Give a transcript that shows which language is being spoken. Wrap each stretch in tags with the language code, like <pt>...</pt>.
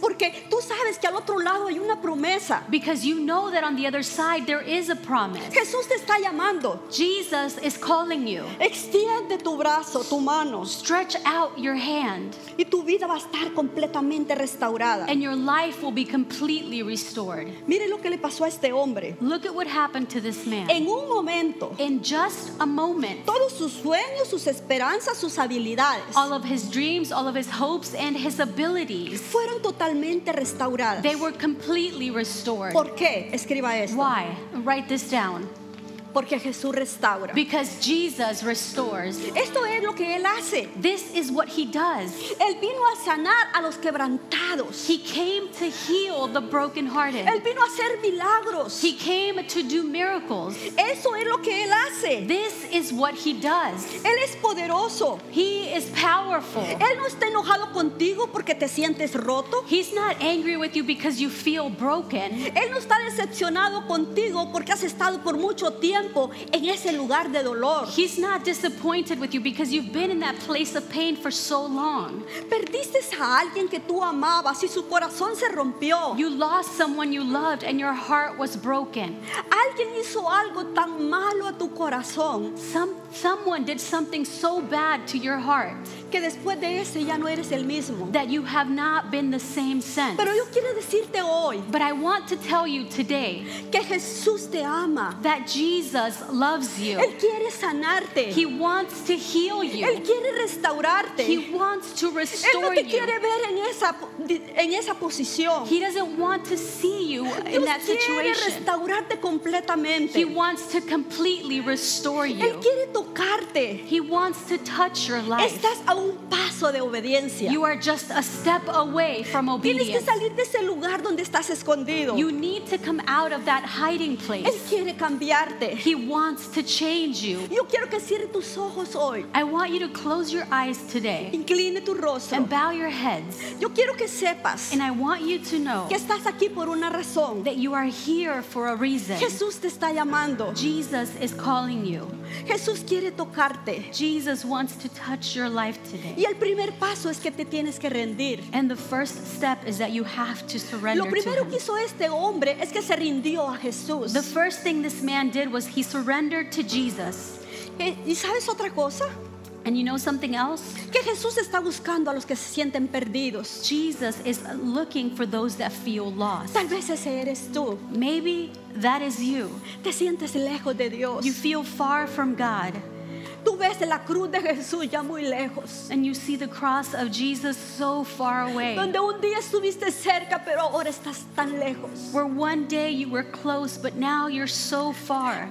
<es>Porque tú sabes que al otro lado hay una promesa.</es> <en>Because you know that on the other side there is a promise.</en> <es>Jesús te está llamando.</es> <en>Jesus is calling you.</en> <es>Extiende tu brazo, tu mano.</es> <en>Stretch out your hand.</en> <es>Y tu vida va a estar completamente restaurada.</es> <en>And your life will be completely restored.</en> <es>Mire lo que le pasó a este hombre.</es> <en>Look at what happened to this man.</en> <es>En un momento,</es> <en>in just a moment,</en> <es>todos sus sueños, sus esperanzas, sus habilidades,</es> <en>all of his dreams, all of his hopes and his abilities,</en> <es>fueron totalmente restauradas.</es> <en>They were completely restored.</en> <es>¿Por qué? Escriba esto.</es> <en>Why? Write this down.</en> <es>Porque Jesús restaura.</es> <en>Because Jesus restores.</en> <es>Esto es lo que él hace.</es> <en>This is what he does.</en> <es>Él vino a sanar a los quebrantados.</es> <en>He came to heal the brokenhearted.</en> <es>Él vino a hacer milagros.</es> <en>He came to do miracles.</en> <es>Eso es lo que él hace.</es> <en>This is what he does.</en> <es>Él es poderoso.</es> <en>He is powerful.</en> <es>Él no está enojado contigo porque te sientes roto.</es> <en>He's not angry with you because you feel broken.</en> <es>Él no está decepcionado contigo porque has estado por mucho tiempo en ese lugar de dolor.</es> <en>He's not disappointed with you because you've been in that place of pain for so long.</en> <es>Perdiste a alguien que tú amabas y su corazón se rompió.</es> <en>You lost someone you loved and your heart was broken.</en> <es>Alguien hizo algo tan malo a tu corazón.</es> <en>Someone did something so bad to your heart.</en> <es>Que después de ese ya no eres el mismo.</es> <en>That you have not been the same since.</en> <es>Pero yo quiero decirte hoy.</es> <en>But I want to tell you today.</en> <es>Que Jesús te ama.</es> <en>That Jesus loves you.</en> <es>Él quiere sanarte.</es> <en>He wants to heal you.</en> <es>Él quiere restaurarte.</es> <en>He wants to restore you.</en> <es>Él no te quiere ver en esa posición.</es> <en>He doesn't want to see you in that situation.</en> <es>Él quiere restaurarte completamente.</es> <en>He wants to completely restore you.</en> <es>Él quiere tocarte.</es> <en>He wants to touch your life.</en> <es>Estás a un paso de obediencia.</es> <en>You are just a step away from obedience.</en> <es>Tienes que salir de ese lugar donde estás escondido.</es> <en>You need to come out of that hiding place.</en> <es>Él quiere cambiarte.</es> <en>He wants to change you.</en> <es>Yo quiero que cierres tus ojos hoy.</es> <en>I want you to close your eyes today.</en> <es>Incline tu rostro.</es> <en>And bow your heads.</en> <es>Yo quiero que sepas.</es> <en>And I want you to know.</en> <es>Que estás aquí por una razón.</es> <en>That you are here for a reason.</en> <es>Jesús te está llamando.</es> <en>Jesus is calling you.</en> <es>Jesús quiere tocarte.</es> <en>Jesus wants to touch your life. Today.</en> <es>Y el primer paso es que te tienes que rendir.</es> <en>And the first step is that you have to surrender.</en> <es>Lo primero</es> <en>to</en> <es>que hizo este hombre es que se rindió a Jesús.</es> <en>The first thing this man did was he surrendered to Jesus.</en> <es>¿Y sabes otra cosa?</es> <en>And you know something else?</en> <es>Que Jesús está buscando a los que se sienten perdidos.</es> <en>Jesus is looking for those that feel lost.</en> <es>Tal vez ese eres tú.</es> <en>Maybe that is you.</en> <es>Te sientes lejos de Dios.</es> <en>You feel far from God.</en> <es>Tú ves la cruz de Jesús ya muy lejos.</es> <en>And you see the cross of Jesus so far away.</en> <es>Donde un día estuviste cerca, pero ahora estás tan lejos.</es> <en>Where one day you were close, but now you're so far.</en>